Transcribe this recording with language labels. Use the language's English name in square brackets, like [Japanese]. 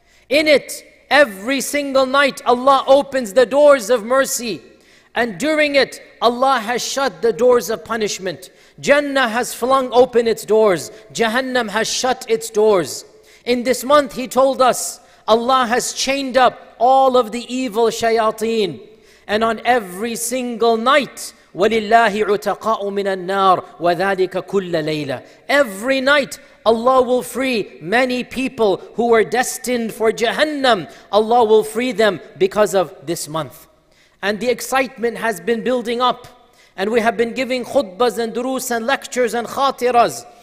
[English] In it, every single night, Allah opens the doors of mercy. And during it, Allah has shut the doors of punishment. Jannah has flung open its doors. Jahannam has shut its doors. In this month, he told us, Allah has chained up all of the evil shayateen. And on every single night, [Arabic] وَلِلَّهِ عُتَقَاءُ مِنَ النَّارِ وَذَلِكَ كُلَّ لَيْلَةٍ. [English] Every night, Allah will free many people who were destined for Jahannam. Allah will free them because of this month. And the excitement has been building up. And we have been giving khutbas and durus and lectures and khatiras.